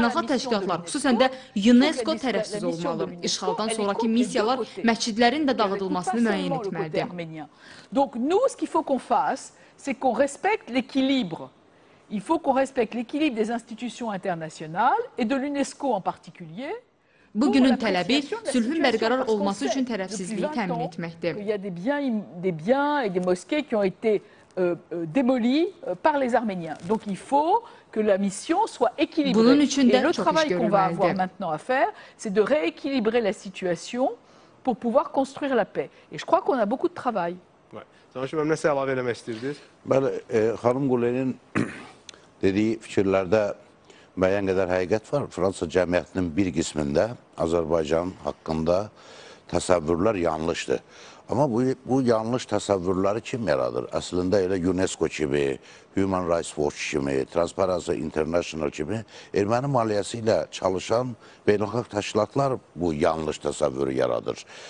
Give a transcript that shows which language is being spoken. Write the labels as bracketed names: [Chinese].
[French] y aura [Azerbaijani] təşkilatlar, xüsusən də UNESCO tərəfsiz olmalı. İşğaldan sonraki missiyalar məscidlərin də dağıdılmasını müəyyən etməlidir. [French] Donc nous ce qu'il faut qu'on fasse c'est qu'on respecte l'équilibre. Il faut qu'on respecte l'équilibre des institutions internationales et de l'UNESCO en particulier. [Azerbaijani] Bugünün tələbi sülhün bərqərar olması üçün tərəfsizliyi təmin etməkdir. [French] Il y a des biens et des mosquées qui ont été démolis par les Arméniens. Donc il faut que la mission soit équilibrée. Et le travail qu'on va avoir maintenant à faire, c'est de rééquilibrer la situation pour pouvoir construire la paix. Et je crois qu'on a beaucoup de travail. [Azerbaijani] Xanım Gulen'in dediği fikirlerde müəyyən qədər həqiqət var. Fransa cəmiyyətinin bir qismində Azərbaycan haqqında təsəvvürlər yanlışdır. Amma bu yanlış təsəvvürləri kim yaradır? Əslində elə UNESCO kimi, Human Rights Watch kimi, Transparency International kimi erməni maliyyəsi ilə çalışan beynəlxalq təşkilatlar bu yanlış təsəvvürü yaradır.